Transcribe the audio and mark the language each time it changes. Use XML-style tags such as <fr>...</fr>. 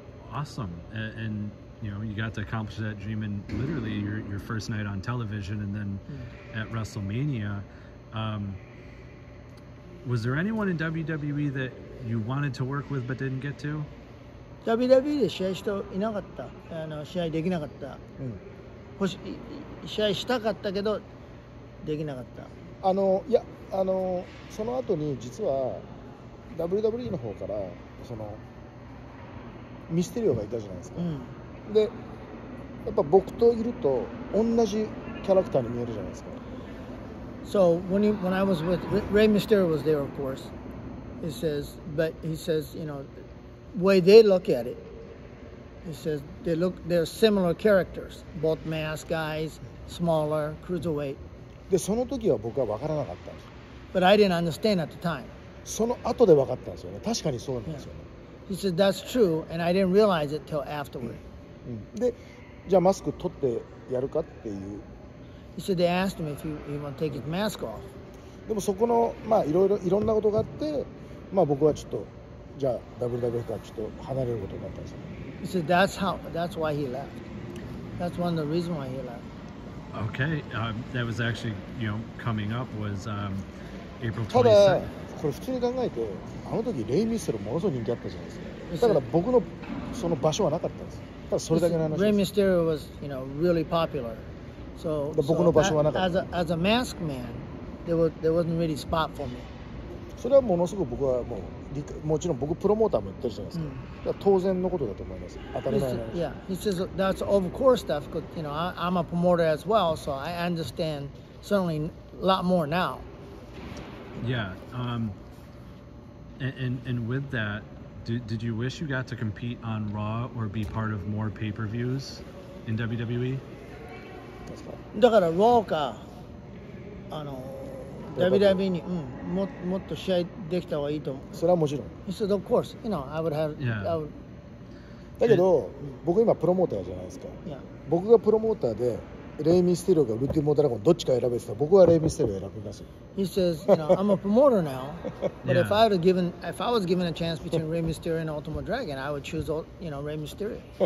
<en>Awesome. And you know, you got to accomplish that dream in literally your first night on television, and then at WrestleMania. Was there anyone in WWE that you wanted to work with but didn't get to?</en> <ja>WWE で試合したいなかった。あの試合できなかった。うん。試合したかったけどできなかった。あのいやあのその後に実は WWE の方からそのミステリオがいたじゃないですか。うん、でやっぱ僕といると同じキャラクターに見えるじゃないですか。</ja> <en>So when he, when I was with Rey Mysterio was there of course, he says but he says you know way they look at it, he says they look they're similar characters, both mask guys, smaller, cruiserweight.</en> <ja>でその時は僕は分からなかったんですよ。</ja> <en>But I didn't understand at the time.</en> <ja>その後で分かったんですよね。確かにそうなんですよね。</ja> <en>Yeah. He said that's true and I didn't realize it till afterward.</en> <ja>でじゃあマスク取ってやるかっていう。</ja> <en>He said they asked him if he want to take his mask off.</en> <ja>でもそこのまあいろいろいろんなことがあって、まあ僕はちょっとじゃあ WWE からちょっと離れることになったんですよ。</ja> <en>He said that's how that's why he left. That's one of the reasons why he left. Okay, that was actually you know coming up was April 22nd.</en> <ja>ただこれ普通に考えてあの時レイミステルものすごい人気あったじゃないですか。だから僕のその場所はなかったんです。ただそれだけの話です。</ja> <en>レイミステル was you know really popular. So, so that, as a mask man, there wasn't really a spot for me.</en> <ja>それはものすごく僕はもう、もちろん僕プロモーターも言ってるじゃないですか。だから当然のことだと思います。当たり前なんです。</ja> <en>He said, yeah, he says that's of course stuff, because you know I'm a promoter as well, so I understand certainly a lot more now. Yeah, and with that, did you wish you got to compete on Raw or be part of more pay-per-views in WWE?</en> <ja>だからローカあの WWE に、うん、もっと試合できた方がいいと思う。それはもちろん。</ja> <en>He said, of course, you know, I would have. Yeah. I would...</en> <ja>だけど、僕今プロモーターじゃないですか。</ja> <en>Yeah.</en> <ja>僕がプロモーターで、レイ・ミステリオがウルティモ・ドラゴンどっちか選べてたら、僕はレイ・ミステリオ選びますよ。</ja> <en>He says, you know, I'm a promoter now, but if I, had given, if I was given a chance between Rey Mysterio and Ultimo Dragon, I would choose, you know, Rey Mysterio.</en>